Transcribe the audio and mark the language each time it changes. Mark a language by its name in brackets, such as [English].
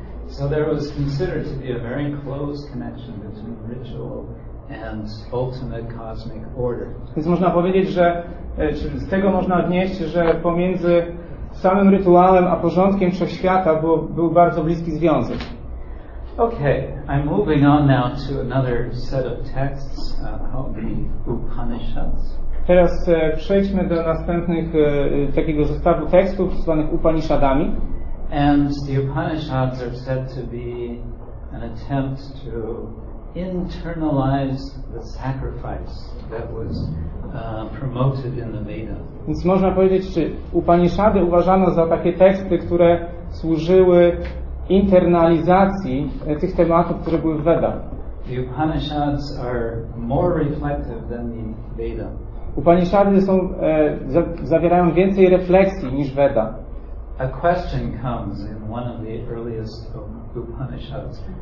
[English] So there was considered to be a very close connection between ritual and ultimate cosmic order. [Polish] Więc można powiedzieć, że z tego można odnieść, że pomiędzy samym rytuałem a porządkiem wszechświata był bardzo bliski związek. [English] Okay, I'm moving on now to another set of texts called the Upanishads. [Polish] Teraz przejdźmy do następnych takiego zestawu tekstów zwanych Upanishadami. [English] And the Upanishads are said to be an attempt to internalize the sacrifice that was promoted in the Veda. [Polish] Więc można powiedzieć, czy Upanishady uważano za takie teksty, które służyły internalizacji tych tematów, które były w Veda. [English] The Upanishads are more reflective than the Veda. [Polish] Upanishady są zawierają więcej refleksji niż Veda. [English] A question comes in one of the earliest Upanishads.